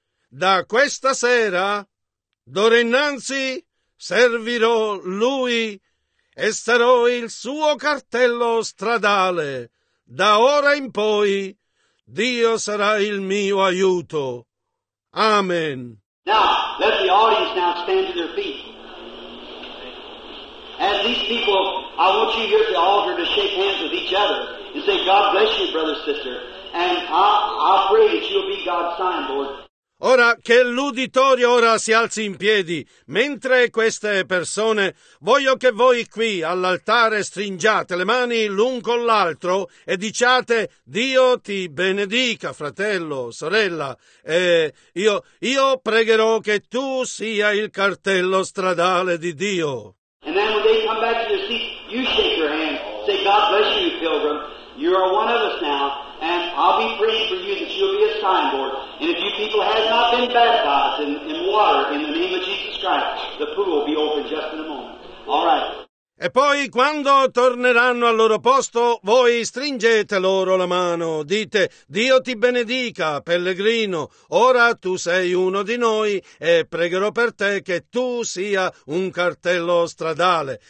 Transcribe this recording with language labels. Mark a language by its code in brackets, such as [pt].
[it] Da questa sera, d'ora innanzi, servirò Lui e sarò il suo cartello stradale. Da ora in poi, Dio sarà il mio aiuto. Amen. [en] Now, let the audience now stand to their feet. As these people, I want you here at the altar to shake hands with each other and say, God bless you, brother, sister. And I pray that you'll be God's signboard. [it] Ora che l'uditorio ora si alzi in piedi, mentre queste persone, voglio che voi qui all'altare stringiate le mani l'un con l'altro e diciate Dio ti benedica, fratello, sorella, e io pregherò che tu sia il cartello stradale di Dio. [en] And then when they come back to their seat, you shake your hand, say God bless you, pilgrim, you are one of us now. And I'll be praying for you that you'll be a signboard. And if you people have not been baptized in water in the name of Jesus Christ, the pool will be open just in a moment. All right. [it] E poi, quando torneranno al loro posto, voi stringete loro la mano. Dite, Dio ti benedica, pellegrino. Ora tu sei uno di noi e pregherò per te che tu sia un cartello stradale.